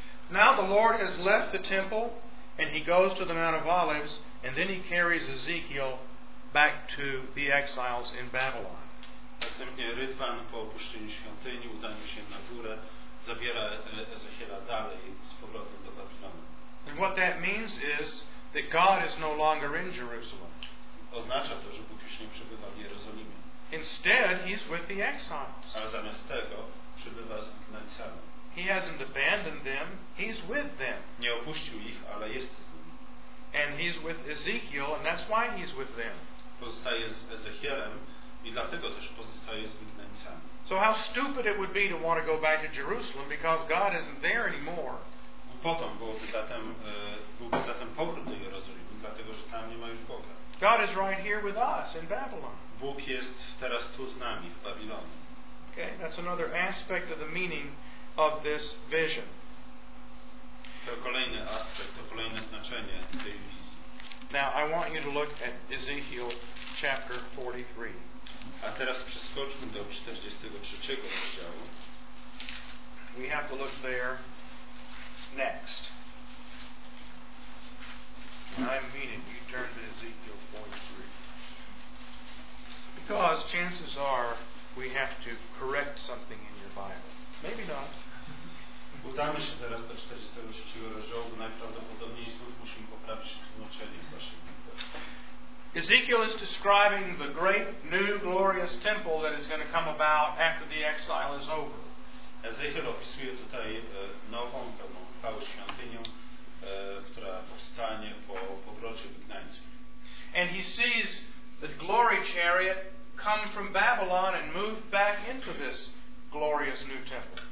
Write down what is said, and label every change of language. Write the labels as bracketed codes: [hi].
[en] Now the Lord has left the temple and he goes to the Mount of Olives and then he carries Ezekiel back to the exiles in Babylon. [pl] Następnie Rytwan po opuszczeniu świątyni, udaniu się na górę, zabiera Ezechiela dalej z powrotem do Babilonu. [en] And what that means is that God is no longer in Jerusalem. [pl] Oznacza to, że Bóg już nie przebywa w Jerozolimie. [en] Instead, he's with the exiles. [pl] Ale zamiast tego przybywa z wygnańcami. [en] He hasn't abandoned them, he's with them. [pl] Nie opuścił ich, ale jest z nimi. [en] And he's with Ezekiel, and that's why he's with them. [pl] Pozostaje z Ezechielem i dlatego też pozostaje z wygnańcami. [en] So how stupid it would be to want to go back to Jerusalem because God isn't there anymore. [pl] Potem byłby zatem powrót do Jerozolimy, dlatego że tam nie ma już Boga. [en] God is right here with us in Babylon. [pl] Bóg jest teraz tu z nami w Babilonie. [en] Okay, that's another aspect of the meaning of this vision. [pl] To kolejny aspekt, to kolejne znaczenie tej wizji. [en] Now I want you to look at Ezekiel chapter 43. [pl] A teraz przeskoczmy do 43 rozdziału. [en] We have to look there next. and I mean it, you turn to Ezekiel 43. Because chances are we have to correct something in your Bible. Maybe not. [pl] Udamy się teraz do 43 rozdziału, najprawdopodobniej znów musimy poprawić tłumaczenie w waszej Biblii. [en] Ezekiel is describing the great new glorious temple that is going to come about after the exile is over. [pl] Ezekiel opisuje tutaj nową, pełną chwały świątynią, która powstanie po powrocie wygnańców. [en] And he sees the glory chariot come from Babylon and move back into this glorious new temple.